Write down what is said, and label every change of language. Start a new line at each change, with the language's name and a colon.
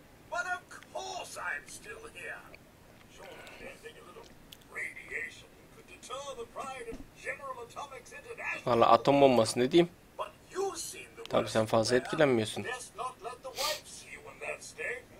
English: But of course I'm still here. Short of death and a little radiation could deter the pride of General Atomics International.
Turkish: Valla atom bombası ne diyeyim?
English: But you've seen the
Turkish: Tabii sen fazla etkilenmiyorsun.
English: Best not let the wife see you in that state.